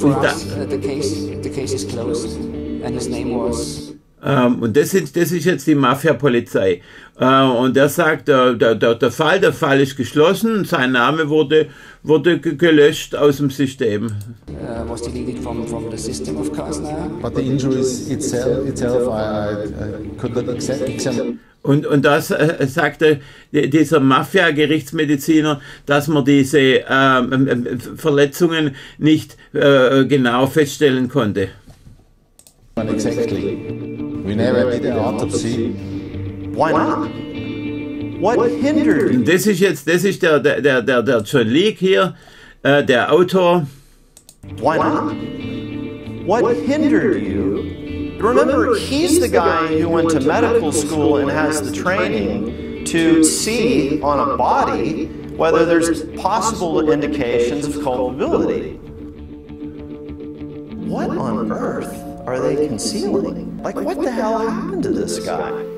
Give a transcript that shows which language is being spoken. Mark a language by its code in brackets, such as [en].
[en] for us, the case is closed. And his name was... [de] Und das ist jetzt die Mafia-Polizei. Und er sagt, der Fall ist geschlossen, sein Name wurde gelöscht aus dem System. [en] Was deleted from the system of Kasna. But the injuries itself I could not accept. [de] Und das sagte dieser Mafia-Gerichtsmediziner, dass man diese Verletzungen nicht genau feststellen konnte. [en] Exactly. We never did an autopsy. Why not? What hindered? [de] Das ist der John Leake hier, der Autor. [en] Why not? What hindered you? Remember, he's the guy who went to medical school and has the training to see on a body whether there's possible indications of culpability. What on earth are they concealing? Like, what the hell happened to this guy?